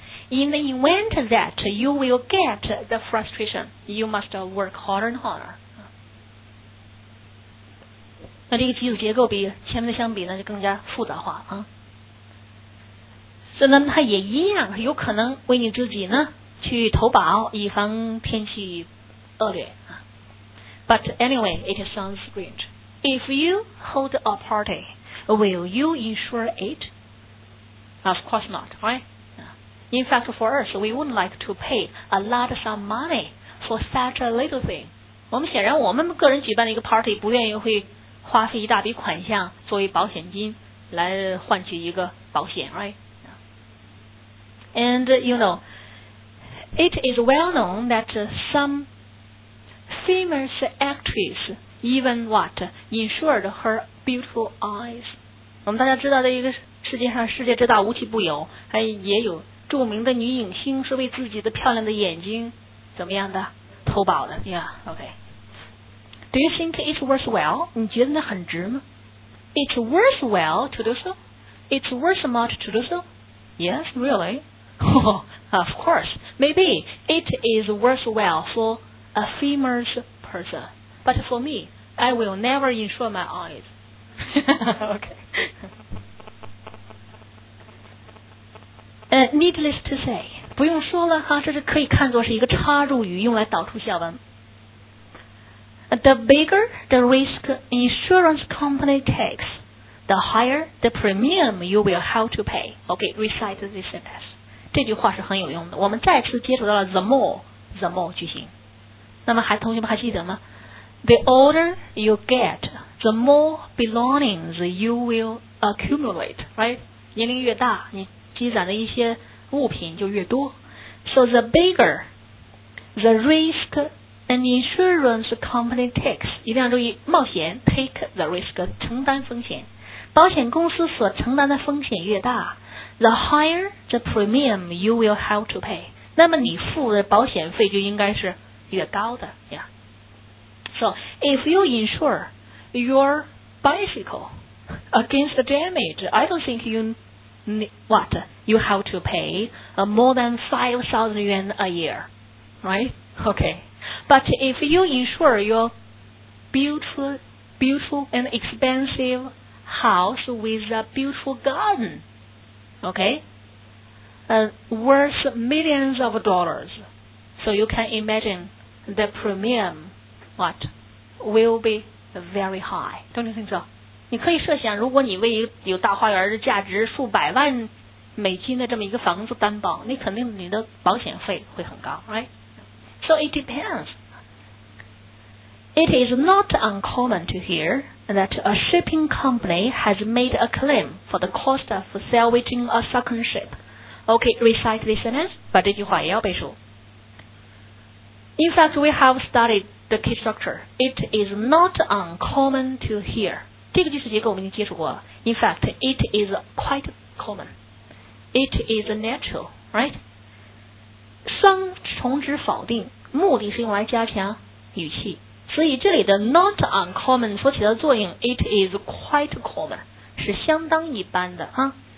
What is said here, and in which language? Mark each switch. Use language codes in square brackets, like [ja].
[en] In the event that you will get the frustration, you must work harder and harder. [zh] 那这个句子结构比前面的相比呢，就更加复杂化啊。所以呢，它也一样，有可能为你自己呢去投保，以防天气恶劣。 [en] But anyway, it sounds strange. If you hold a party, will you insure it? Of course not, right? In fact, for us, we wouldn't like to pay a lot of some money for such a little thing. [zh] 我们显然我们个人举办的一个 party 不愿意会花费一大笔款项作为保险金来换取一个保险 [en] right? And you know, it is well known that some famous actress even what insured her beautiful eyes. [zh] 我们大家知道的一个世界上世界之大无奇不有，还也有著名的女影星是为自己的漂亮的眼睛怎么样的投保的 [en] Yeah, okay. Do you think it's worthwhile? [zh] 你觉得那很值吗？ [en] It's worthwhile to do so. It's worth much to do so. Yes, really. Oh, of course. Maybe it is worthwhile for a famous person. But for me, I will never insure my eyes. okay. Needless to say, [zh] 不用说了哈，这是可以看作是一个插入语，用来导出下文。 [en] The bigger the risk insurance company takes, the higher the premium you will have to pay. Okay, recite this sentence. [zh] 这句话是很有用的。我们再次接触到了 the more 句型。那么还同学们还记得吗 [en] ？The older you get, the more belongings you will accumulate. Right? [zh] 年龄越大，你积攒的一些物品就越多。 [en] So the bigger the risk an insurance company takes, [zh] 一定要注意冒险 [en] take the risk, [zh] 承担风险，保险公司所承担的风险越大， [en] the higher the premium you will have to pay, [zh] 那么你付的保险费就应该是越高的、yeah. [en] So if you insure your bicycle against damage, I don't think youWhat? You have to pay more than 5,000 yuan a year. Right? Okay. But if you insure your beautiful and expensive house with a beautiful garden, okay, worth millions of dollars, so you can imagine the premium, what, will be very high. Don't you think so? [zh] 你可以设想，如果你为有大花园的价值数百万美金的这么一个房子担保，你肯定你的保险费会很高 ， [en] right? So it depends. It is not uncommon to hear that a shipping company has made a claim for the cost of salvaging a sunken ship. Okay, recite this sentence. [zh] 把这句话也要背熟。 [en] In fact, we have studied the key structure. It is not uncommon to hear. [zh] 这个第四节课我们已经接触过了。 [en] In fact, it is quite common. It is natural, right? [zh] 双重指否定，目的是用来加强语气。所以这里的 not uncommon 所起的作用 [en] it is quite common [zh] 是相当一般的啊。